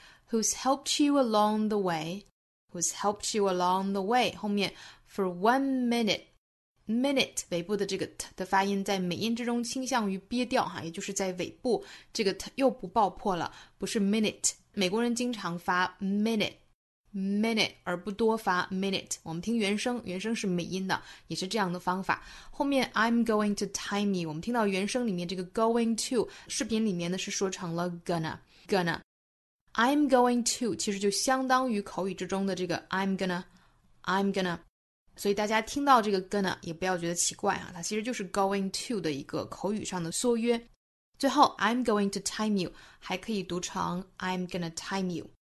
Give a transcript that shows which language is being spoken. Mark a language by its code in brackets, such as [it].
[en] Who's helped you along the way? Who's helped you along the way? [zh] 后面 [en] for 1 minute， [zh] minute 尾部的这个 t 的发音在美音之中倾向于憋掉哈，也就是在尾部这个 t 又不爆破了，不是 minute。美国人经常发 minute 而不多发 minute， 我们听原声，原声是美音的，也是这样的方法。后面 [en] I'm going to time you， [zh] 我们听到原声里面这个 going to， 视频里面呢是说成了 gonna。 I'm going to 其实就相当于口语之中的这个 I'm gonna， 所以大家听到这个 gonna 也不要觉得奇怪啊，它其实就是 going to 的一个口语上的缩约。最后 [en] I'm going to time you [zh] 还可以读成 [en] I'm gonna time you。